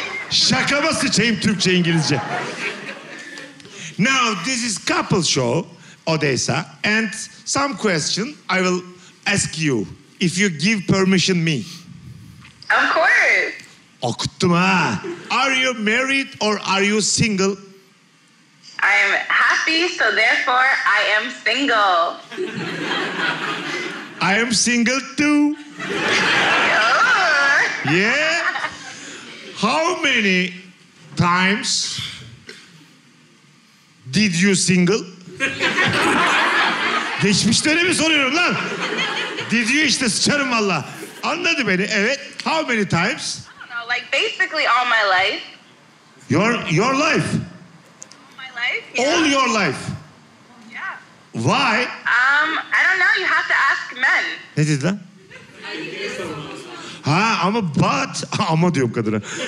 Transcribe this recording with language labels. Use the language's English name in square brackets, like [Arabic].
[Turkish] Şaka mı sıçayım Türkçe, İngilizce? [English] Now, this is couple show, Odessa. And some question I will ask you. If you give permission me. Of course. [Turkish] Okuttum ha. [English] Are you married or are you single? I am happy, so therefore I am single. I am single too. Yeah. How many times did you single? [Turkish] Geçmişlere mi soruyorum lan? [English] Did you [Turkish] işte sıçarım valla. Anladı beni, evet. [English] How many times? I don't know, like basically all my life. Your life? Yeah. All your life? Yeah. Why? I don't know. You have to ask men. [Turkish] Ne dedi lan? Ha ama [English] but... [Turkish] Ama diyorum kadına.